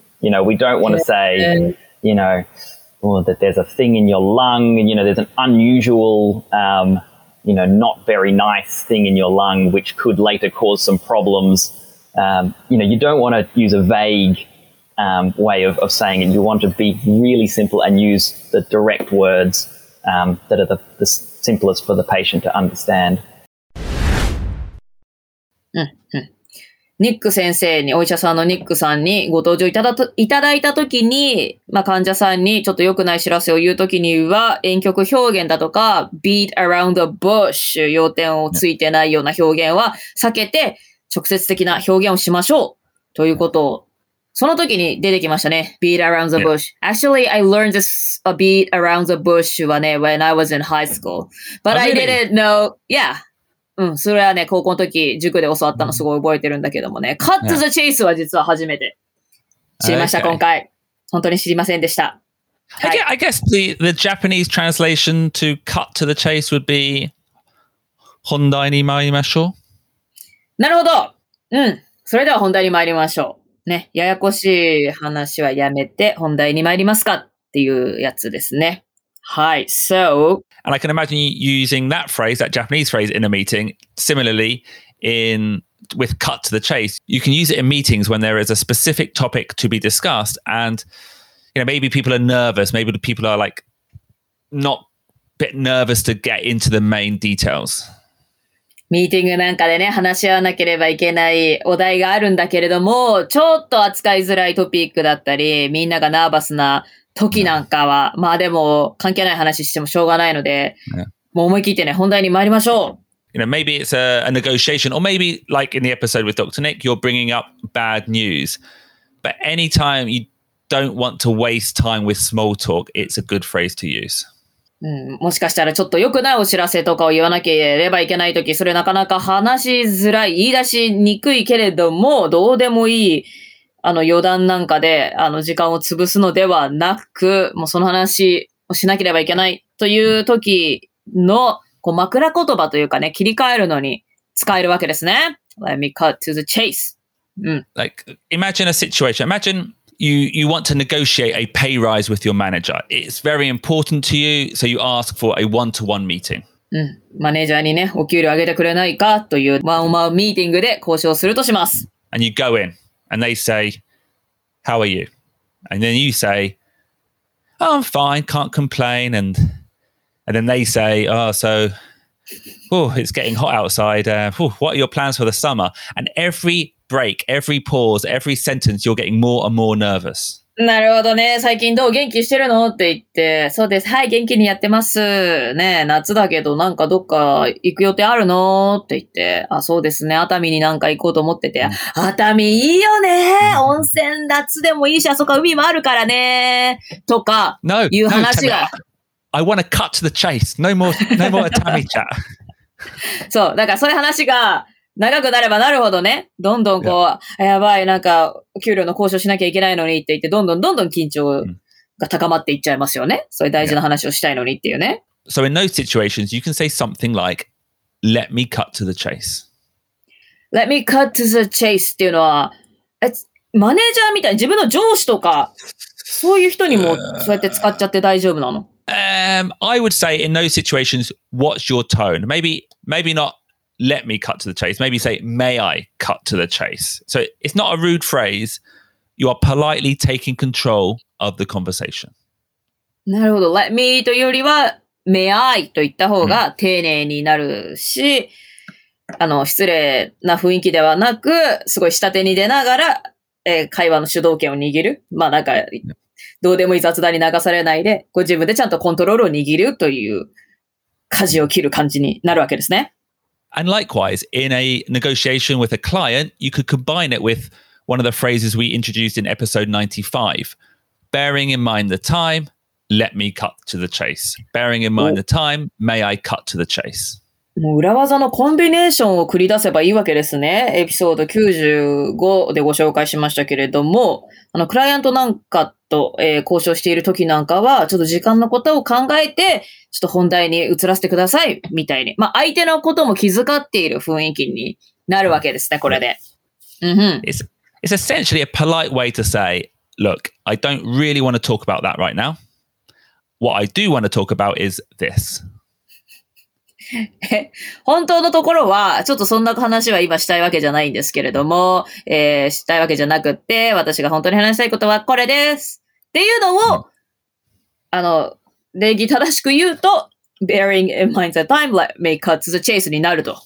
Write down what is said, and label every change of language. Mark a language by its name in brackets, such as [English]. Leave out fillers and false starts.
[English] You know, we don't want to say, you know, oh, that there's a thing in your lung, and, you know, there's an unusual, you know, not very nice thing in your lung, which could later cause some problems. You know, you don't want to use a vague way of saying it. You want to be really simple and use the direct words that are the simplest for the patient to understand. [Japanese] ニック先生に、お医者さんのニックさんにご登場いただいたときに、まあ、患者さんにちょっと良くない知らせを言うときには、婉曲表現だとか、 [English] beat around the bush、 [Japanese] 要点をついてないような表現は避けて、直接的な表現をしましょうということを、その時に出てきましたね。 [English] beat around the bush.、Yeah. Actually, I learned this a beat around the bush [Japanese] はね、 [English] when I was in high school. But I didn't know, yeah. [Japanese] うん、それはね、高校の時、塾で教わったのすごい覚えてるんだけどもね。 [English] Cut to the chase [Japanese] は実は初めて。知りました、今回。本当に知りませんでした。 [English] はい、I guess the Japanese translation to cut to the chase would be [Japanese] 本題に参りましょう。なるほど。うん。それでは本題に参りましょう。ね。ややこしい話はやめて、本題に参りますかっていうやつですね。はい、so... [English] And I can imagine you using that phrase, that Japanese phrase in a meeting. Similarly, with cut to the chase, you can use it in meetings when there is a specific topic to be discussed. And, you know, maybe people are nervous. Maybe the people are like not a bit nervous to get into the main details. [Japanese] ミーティングなんかでね、話し合わなければいけないお題があるんだけれども、ちょっと扱いづらいトピックだったり、みんながナーバスな時なんかは、まあでも関係ない話してもしょうがないので、もう思い切ってね、本題に参りましょう。 [English] You know, maybe it's a negotiation, or maybe like in the episode with Dr. Nick, you're bringing up bad news. But anytime you don't want to waste time with small talk, it's a good phrase to use. [Japanese] うん、もしかしたらちょっと良くないお知らせとかを言わなければいけないとき、それなかなか話しづらい、言い出しにくいけれども、どうでもいい、あの余談なんかで、あの時間を潰すのではなく、もうその話をしなければいけないというときの、こう枕言葉というかね、切り替えるのに使えるわけですね。 [English] Let me cut to the chase. うん。 Like, imagine a situation. Imagine you want to negotiate a pay rise with your manager. It's very important to you, so you ask for a one-to-one meeting. [Japanese] うん、マネージャーにね、お給料上げてくれないかというワンオンワンミーティングで交渉するとします。 [English] And you go in, and they say, "How are you?" And then you say, oh, "I'm fine, can't complain." And then they say, "Oh, so, oh, it's getting hot outside. What are your plans for the summer?" And every break, every pause, every sentence, you're getting more and more nervous. [Japanese] なるほどね。最近どう元気してるのって言って、そうです。はい、元気にやってます。ね、夏だけどなんかどっか行く予定あるのって言って、あ、そうですね。熱海になんか行こうと思ってて、熱海いいよね。温泉、夏でもいいし、あそこ海もあるからね。とか、いう話が。 [English] No, I want to cut to the chase. No more, no more 熱海chat. [Japanese] そう、だからそういう話が長くなればなるほどね、どんどんこう、yeah. やばい、なんか給料の交渉しなきゃいけないのにって言って、どんどんどんどん緊張が高まっていっちゃいますよね。そういう大事な話をしたいのにっていうね。 [English] Yeah. So in those situations, you can say something like, let me cut to the chase. Let me cut to the chase [Japanese] っていうのは、マネージャーみたいに自分の上司とか、そういう人にもそうやって使っちゃって大丈夫なの？ [English] I would say in those situations, what's your tone? Maybe not let me cut to the chase. Maybe say, may I cut to the chase? So it's not a rude phrase. You are politely taking control of the conversation. [Japanese] なるほど。 [English] Let me [Japanese] というよりは、 [English] may I [Japanese] と言った方が丁寧になるし、失礼な雰囲気ではなく、すごい下手に出ながら、会話の主導権を握る。まあなんか、どうでもいい雑談に流されないで、ご自分でちゃんとコントロールを握るという、舵を切る感じになるわけですね。 [English] And likewise, in a negotiation with a client, you could combine it with one of the phrases we introduced in episode 95. Bearing in mind the time, let me cut to the chase. Bearing in mind the time, may I cut to the chase. [Japanese] もう裏技のコンビネーションを繰り出せばいいわけですね。エピソード95でご紹介しましたけれども、クライアントなんかと、交渉している時なんかは、ちょっと時間のことを考えて、ちょっと本題に移らせてください、みたいに。まあ、相手のことも気遣っている雰囲気になるわけですね、これで。 [English] It's essentially a polite way to say, look, I don't really want to talk about that right now. What I do want to talk about is this. [Japanese] 本当のところはちょっとそんな話は今したいわけじゃないんですけれども、したいわけじゃなくて、私が本当に話したいことはこれですっていうのを、礼儀正しく言うと、 [English] bearing in mind the time, let me cut to the chase [Japanese] になると、